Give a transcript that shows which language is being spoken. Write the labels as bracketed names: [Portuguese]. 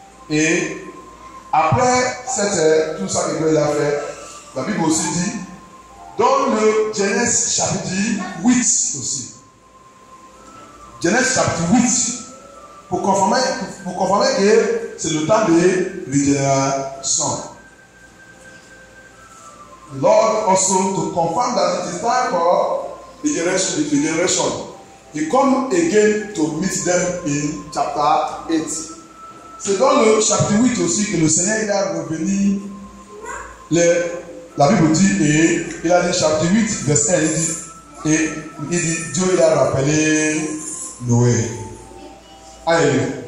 [French] Et après cette, tout ça que Dieu a fait, la Bible aussi dit, dans le Genèse chapitre 8 aussi. Genèse chapitre 8. Pour confirmer que c'est le temps de régénération. [English] Lord also to confirm that it is time for regeneration. He come again to meet them in chapter 8. [French] C'est dans le chapitre 8 aussi que le Seigneur il a revenu. La Bible dit, et il a dit chapitre 8, verset 1, il dit Dieu il a rappelé Noé. Alléluia.